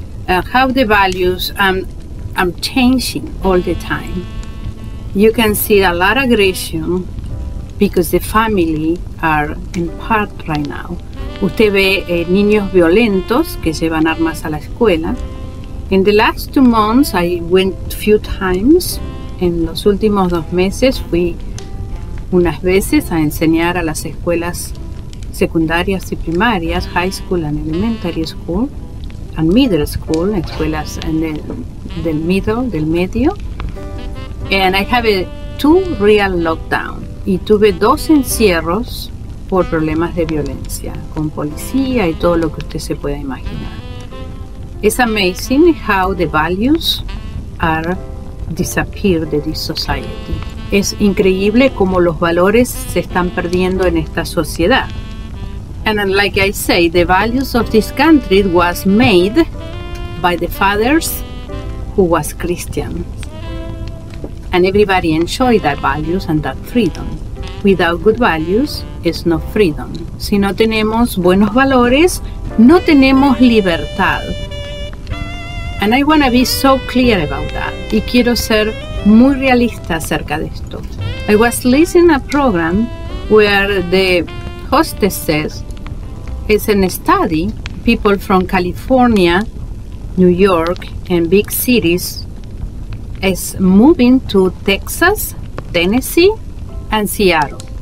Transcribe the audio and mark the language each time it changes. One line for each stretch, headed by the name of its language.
English: How the values are changing all the time. You can see a lot of aggression because the family are in part right now.
Spanish: Usted ve niños violentos que llevan armas a la escuela.
English: In the last 2 months, I went a few times.
Spanish: En los últimos 2 meses, fui unas veces a enseñar a las escuelas secundarias y primarias,
English: high school and elementary school, and middle school,
Spanish: escuelas en el, del medio.
English: And I have two real lockdowns.
Spanish: Y tuve 2 encierros por problemas de violencia, con policía y todo lo que usted se pueda imaginar.
English: It's amazing how the values are disappear de this society.
Spanish: Es increíble cómo los valores se están perdiendo en esta sociedad.
English: And like I say, the values of this country was made by the fathers who was Christian. And everybody enjoyed that values and that freedom. Without good values, it's no freedom.
Spanish: Si no tenemos buenos valores, no tenemos libertad.
English: And I want to be so clear about that.
Spanish: Y quiero ser muy realista acerca de esto.
English: I was listening to a program where the hostess says, it's a study, people from California, New York, and big cities, is moving to Texas, Tennessee, and Seattle.